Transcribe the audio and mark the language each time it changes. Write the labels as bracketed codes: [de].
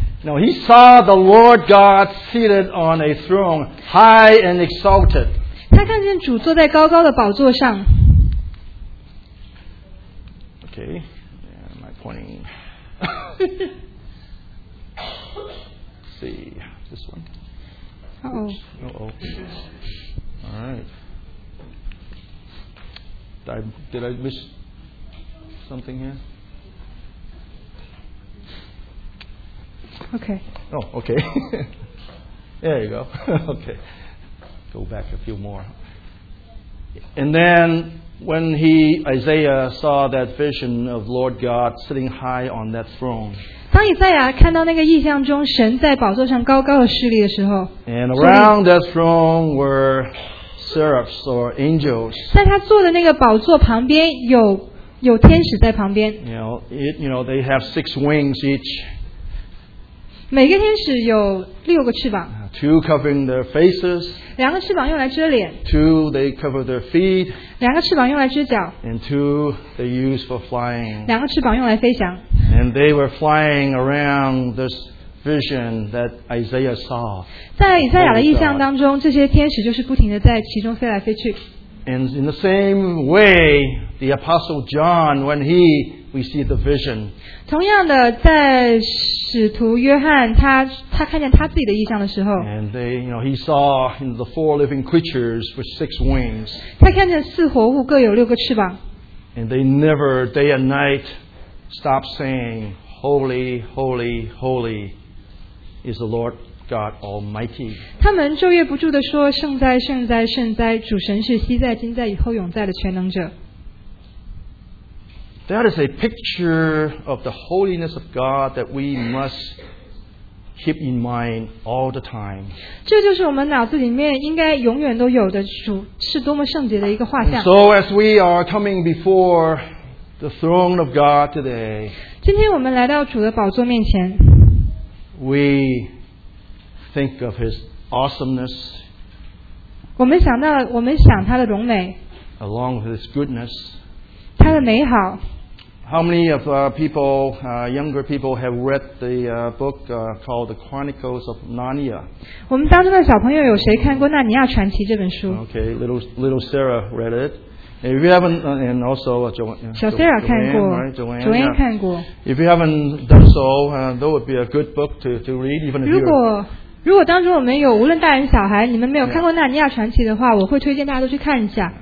[en] No, he saw the Lord God seated on a throne, high and exalted. [zh] 他看见主坐在高高的宝座上。 [en] Okay, am I pointing? See this one. Uh-oh. All right. Did I miss something here? Okay. Oh, okay. There you go. Okay. Go back a few more. And then when Isaiah saw that vision of Lord God sitting high on that throne. [zh] 当以赛亚看到那个意象中神在宝座上高高的势力的时候, [en] and around that throne were seraphs or angels. [zh] 在他坐的那个宝座旁边有天使在旁边。 [en] You know, they have six wings each. [zh] 每个天使有六个翅膀。 [en] Two covering their faces. [zh] 两个翅膀用来遮脸, [en] two, they cover their feet. [zh] 两个翅膀用来遮脚, [en] and two, they use for flying. [zh] 两个翅膀用来飞翔, [en] and they were flying around this vision that Isaiah saw. [zh] 在以赛亚的意象当中, 这些天使就是不停地在其中飞来飞去。 [en] And in the same way, the Apostle John, when he received the vision, [zh] 同样的, 在使徒约翰, 他看见他自己的意象的时候, [en] and they, you know, he saw, you know, the four living creatures with six wings. [zh] 他看见四活物各有六个翅膀, [en] and they never, day and night, stop saying, holy, holy, holy is the Lord God Almighty. [zh] 他们昼夜不住地说，圣哉，圣哉，圣哉，主神是昔在、今在、以后永在的全能者。 [en] That is a picture of the holiness of God that we must keep in mind all the time. [zh] 这就是我们脑子里面应该永远都有的主是多么圣洁的一个画像。 [en] So as we are coming before the throne of God today, [zh] 今天我们来到主的宝座面前。 [en] We think of His awesomeness. [zh] 我们想到，我们想他的荣美。 [en] Along with His goodness. [zh] 他的美好。 [en] How many of younger people have read the book called The Chronicles of Narnia? [zh] 我们当中的小朋友有谁看过《纳尼亚传奇》这本书 [en] ？Okay, little Sarah read it. If you haven't, and also [zh] Joanne 看过，Joanne 看过。 [en] If you haven't done so, that would be a good book to read, even if you. [zh] 如果当中我们有无论大人小孩，你们没有看过《纳尼亚传奇》的话，我会推荐大家都去看一下。